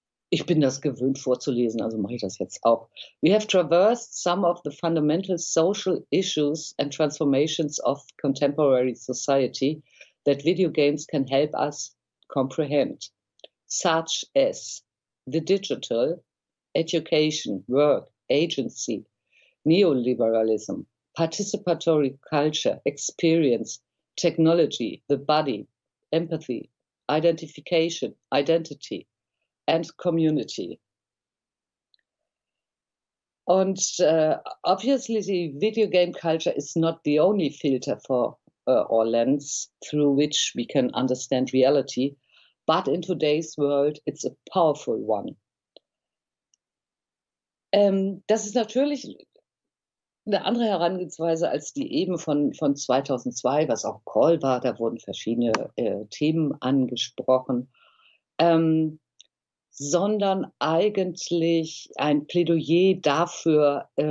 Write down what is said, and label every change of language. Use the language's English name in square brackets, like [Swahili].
[German] Ich bin das gewöhnt vorzulesen, also mache ich das jetzt auch. [English] We have traversed some of the fundamental social issues and transformations of contemporary society that video games can help us comprehend, such as the digital, education, work, agency, neoliberalism, participatory culture, experience, technology, the body, empathy, identification, identity and community. Und obviously, video game culture is not the only filter for or lens through which we can understand reality, but in today's world it's a powerful one. [German] Das ist natürlich eine andere Herangehensweise als die eben von 2002, was auch Call war, da wurden verschiedene Themen angesprochen, sondern eigentlich ein Plädoyer dafür,